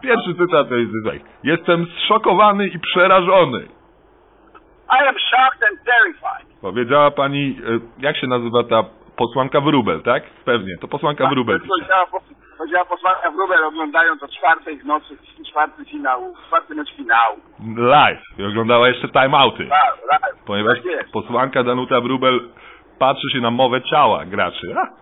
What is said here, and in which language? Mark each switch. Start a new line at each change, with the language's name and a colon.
Polish: Pierwszy cytat jest tutaj. Jestem zszokowany i przerażony.
English: I am shocked and terrified.
Polish: Powiedziała pani, jak się nazywa ta posłanka Wróbel, tak? Pewnie, to posłanka Wróbel. Powiedziała posłanka Wróbel, oglądając o czwartej w nocy, czwarty mecz finału. Live. I oglądała jeszcze timeouty. Live. Ponieważ tak jest. Posłanka Danuta Wróbel patrzy się na mowę ciała graczy.